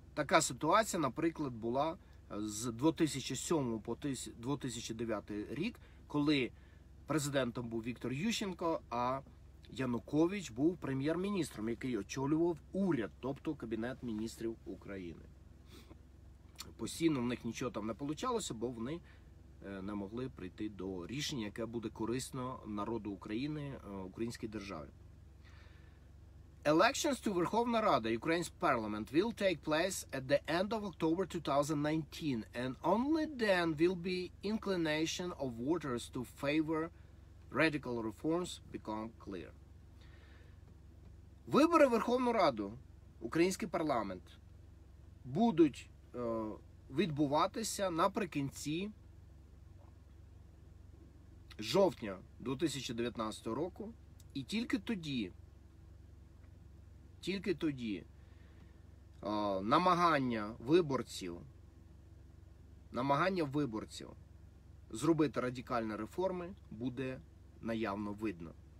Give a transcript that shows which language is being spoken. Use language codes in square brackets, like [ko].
[uk] Така ситуація, наприклад, була з 2007 по 2009 рік, коли президентом був Віктор Ющенко, а Янукович був прем'єр-міністром, який очолював уряд, тобто Кабінет міністрів України. Постійно в них нічого там не вийшло, бо вони не могли прийти до рішення, яке буде корисно народу України, українській державі. [en] Elections to Верховна Рада, Ukraine's parliament, will take place at the end of October 2019, and only then will be inclination of voters to favor radical reforms become clear. [uk] Вибори Верховну Раду, український парламент, будуть відбуватися наприкінці жовтня 2019 року, і тільки тоді, намагання виборців зробити радикальні реформи буде наявно видно.